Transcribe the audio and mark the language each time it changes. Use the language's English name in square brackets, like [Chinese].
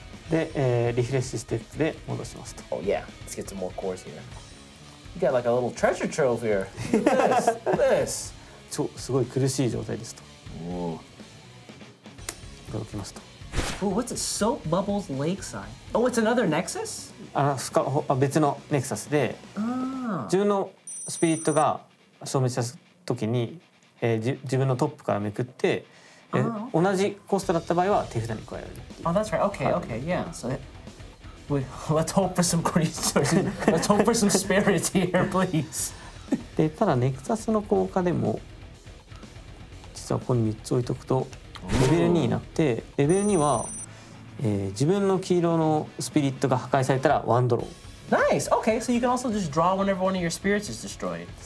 [Japanese] で、リフレッシュステップで戻しますと。 [English] Oh yeah. Let's get some more cores here. You got like a little treasure trove here. This. [Japanese] すごい苦しい状態ですと。届きますと。 [English] Ooh, what's it? Soap bubbles lakeside. Oh, it's another nexus? [Japanese] あ、別のネクサスで。自分のスピリットが消滅した時に、自分のトップからめくって、 [English] okay. [Japanese] 同じコストだった場合は手札に加えられる。 [English] Oh, that's right. Okay, okay, yeah. So, let's hope for some creatures. Let's hope for some spirits here, please. [Japanese] で、ただネクサスの効果でも、実はここに3つ置いとくと、レベル2になって、レベル2は、自分の黄色のスピリットが破壊されたらワンドロー。 [English] Nice! Okay, so you can also just draw whenever one of your spirits is destroyed.